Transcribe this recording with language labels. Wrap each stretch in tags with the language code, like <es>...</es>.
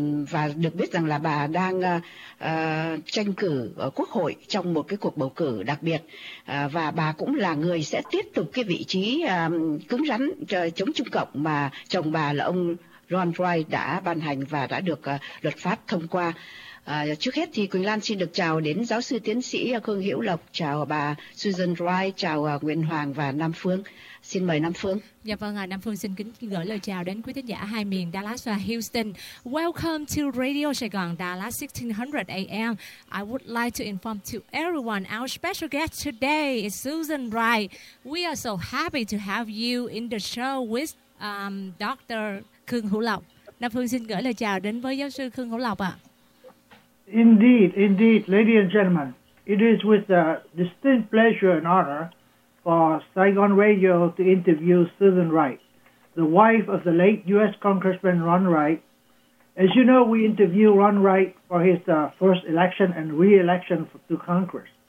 <vi>Và được biết rằng là bà đang tranh cử ở Quốc hội trong một cái cuộc bầu cử đặc biệt, và bà cũng là người sẽ tiếp tục cái vị trí cứng rắn chống Trung Cộng mà chồng bà là ông Ron Roy đã ban hành và đã được luật pháp thông qua. Trước hết thì Quỳnh Lan xin được chào đến giáo sư tiến sĩ Khương Hữu Lộc, chào bà Susan Roy, chào Nguyễn Hoàng và Nam Phương. Xin mời Nam Phương. Dạ vâng, Nam Phương xin kính gửi lời chào đến quý khán giả hai miền Dallas và Houston.</vi> <en>Welcome to Radio Sài Gòn Dallas 1600 AM. I would like to inform to everyone our special guest today is Susan Roy. We are so happy to have you in the show with Dr. Khương Hữu Lộc.</en> <vi>Nam Phương xin gửi lời chào đến với giáo sư Khương Hữu Lộc ạ.</vi> <en>Indeed, ladies and gentlemen, it is with a distinct pleasure and honor for Saigon Radio to interview Susan Wright, the wife of the late U.S. Congressman Ron Wright. As you know, we interviewed Ron Wright for his first election and re-election to Congress.</en>